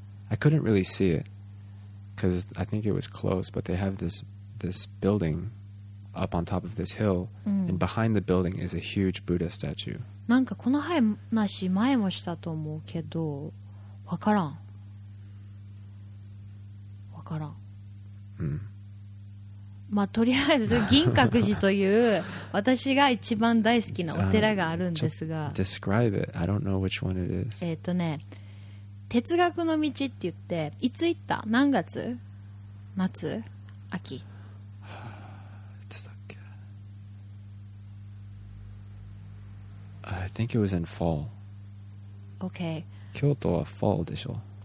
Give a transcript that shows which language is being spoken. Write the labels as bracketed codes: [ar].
[en] I couldn't really see it because I think it was close. But they have this building up on top of this hill,、 [ja] うん、 [en] and behind the building is a huge Buddha statue. [ja] なんかこの話前もしたと思うけど、わからん。わからん。うん。まあとりあえず銀閣寺という私が一番大好きなお寺があるんですが、 [en] Describe it. I don't know which one it is. [ja] 哲学の道って言って、いつ行った？何月？夏？秋？いつだっけ？ [en] I think it was in fall. Okay. [ja] 京都は fall でしょ？